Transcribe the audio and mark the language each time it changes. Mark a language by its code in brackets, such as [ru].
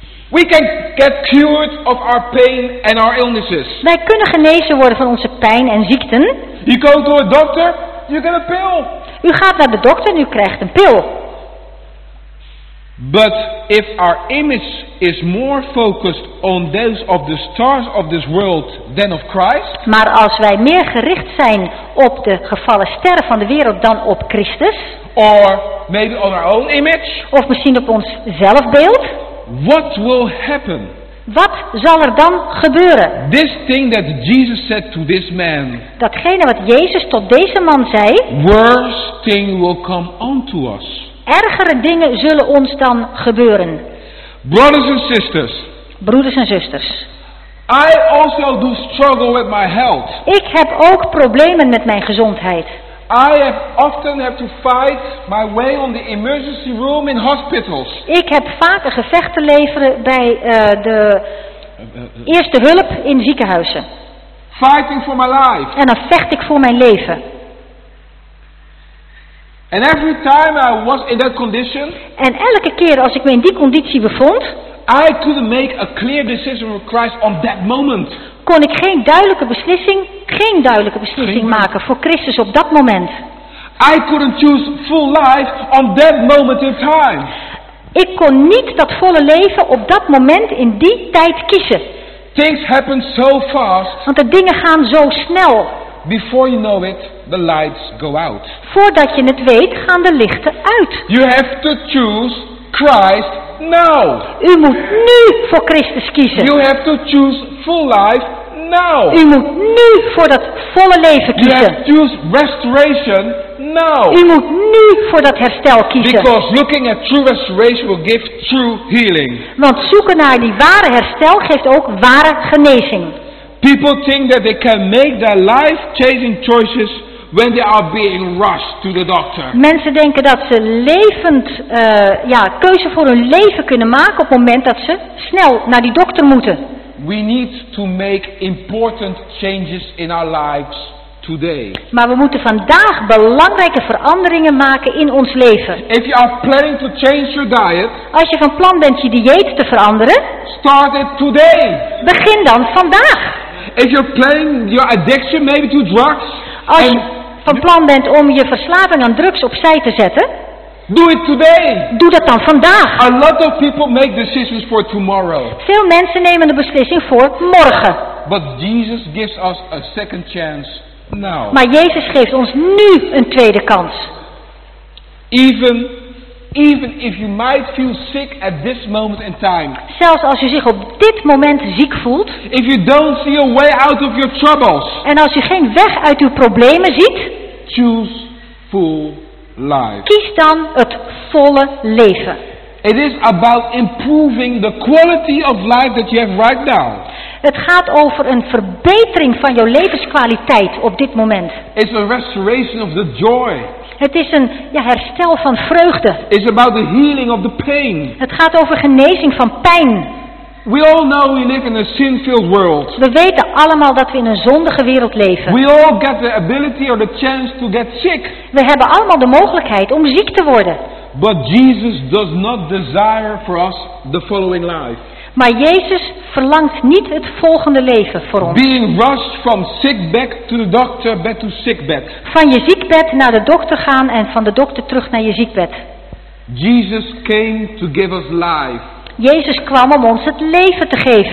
[en] We can get cured of our pain and our illnesses. [nl] Wij kunnen genezen worden van onze pijn en ziekten. [en] You go to a doctor, you get a pill. [nl] U gaat naar de dokter en u krijgt een pil. [en] But if our image is more focused on those of the stars of this world than of Christ. [nl] Maar als wij meer gericht zijn op de gevallen sterren van de wereld dan op Christus. [en] Or maybe on our own image. [nl] Of misschien op ons zelfbeeld. [en] What will happen? [nl] Wat zal er dan gebeuren? [en] This thing that Jesus said to this man. [nl] Datgene wat Jezus tot deze man zei. [en] Worst thing will come unto us. [nl] Ergere dingen zullen ons dan gebeuren. [en] Brothers and sisters. [nl] Broeders en zusters. [en] I also do struggle with my health. [nl] Ik heb ook problemen met mijn gezondheid. [en] I have often have to fight my way on the emergency room in hospitals. [nl] Ik heb vaak een gevecht te leveren bij de eerste hulp in ziekenhuizen. [en] Fighting for my life. [nl] En dan vecht ik voor mijn leven. [en] And every time I was in that condition, [nl] en elke keer als ik me in die conditie bevond, [en] I couldn't make a clear decision with Christ on that moment. [nl] Kon ik geen duidelijke beslissing maken voor Christus op dat moment. [en] I couldn't choose full life on that moment in time. [nl] Ik kon niet dat volle leven op dat moment in die tijd kiezen. [en] Things happen so fast. [nl] Want de dingen gaan zo snel. [en] Before you know it, the lights go out. [nl] Voordat je het weet, gaan de lichten uit. [en] You have to choose Christ now. [nl] U moet nu voor Christus kiezen. [en] You have to choose full life now. [nl] U moet nu voor dat volle leven kiezen. [en] You have to choose restoration now. [nl] U moet nu voor dat herstel kiezen. [en] Because looking at true restoration will give true healing. [nl] Want zoeken naar die ware herstel geeft ook ware genezing. [en] People think that they can make their life-changing choices when they are being rushed to the doctor. [nl] Mensen denken dat ze levend, keuze voor hun leven kunnen maken op het moment dat ze snel naar die dokter moeten. [en] We need to make important changes in our lives today. [nl] Maar we moeten vandaag belangrijke veranderingen maken in ons leven. [en] If you are planning to change your diet, [nl] als je van plan bent je dieet te veranderen, [en] start it today. [nl] Begin dan vandaag. [en] If you're planning your addiction maybe to drugs, [nl] als je van plan bent om je verslaving aan drugs opzij te zetten, [en] do it today. [nl] Doe dat dan vandaag. [en] A lot of people make decisions for tomorrow. [nl] Veel mensen nemen de beslissing voor morgen. [en] But Jesus gives us a second chance now. [nl] Maar Jezus geeft ons nu een tweede kans. [en] Even if you might feel sick at this moment in time. [nl] Zelfs als u zich op dit moment ziek voelt. [en] If you don't see a way out of your troubles. [nl] En als u geen weg uit uw problemen ziet. [en] Choose full life. [nl] Kies dan het volle leven. [en] It is about improving the quality of life that you have right now. [nl] Het gaat over een verbetering van jouw levenskwaliteit op dit moment. [en] It's a restoration of the joy. [nl] Het is een herstel van vreugde. [en] It's about the healing of the pain. [nl] Het gaat over genezing van pijn. [en] We all know we live in a sin-filled world. [nl] We weten allemaal dat we in een zondige wereld leven. [en] We all get the ability or the chance to get sick. [nl] We hebben allemaal de mogelijkheid om ziek te worden. [en] But Jesus does not desire for us the following life. [nl] Maar Jezus verlangt niet het volgende leven voor ons. [en] Being rushed from sick bed to the doctor, bed to sick bed. [nl] Van je ziekbed naar de dokter gaan en van de dokter terug naar je ziekbed. [en] Jesus came to give us life. [nl] Jezus kwam om ons het leven te geven.